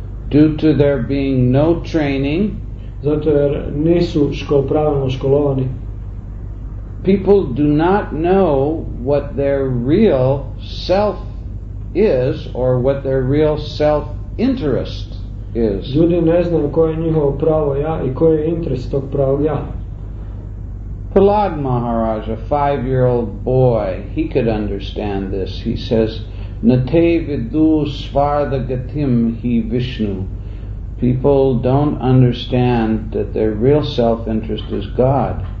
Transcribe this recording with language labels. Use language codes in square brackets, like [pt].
[en] due to there being no training, [hr] zato jer nisu pravilno školovani, [en] people do not know what their real self is or what their real self interest is. [hr] Ljudi ne znaju koje je njihovo pravo ja i koji je interes tog pravog ja. [en] Prahlad Maharaj, a 5-year-old boy, he could understand this. He says, [sa] "Nate vidu svartha gatim hi Vishnu." [en] People don't understand that their real self-interest is God.